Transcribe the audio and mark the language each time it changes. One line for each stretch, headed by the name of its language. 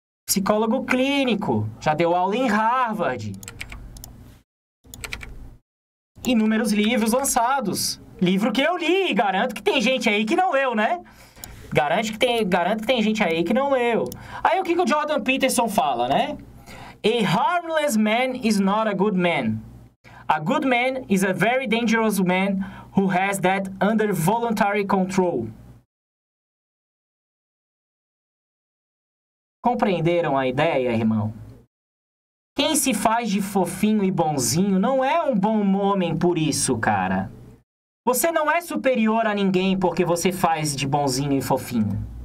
Portuguese: Psicólogo clínico. Já deu aula em Harvard. Inúmeros livros lançados. Livro que eu li. Garanto que tem gente aí que não leu, né? Garanto que tem gente aí que não leu. Aí o que, que o Jordan Peterson fala, né?
English: A harmless man is not a good man. A good man is a very dangerous man who has that under voluntary control.
Portuguese: Compreenderam a ideia, irmão? Quem se faz de fofinho e bonzinho não é um bom homem por isso, cara. Você não é superior a ninguém porque você faz de bonzinho e fofinho.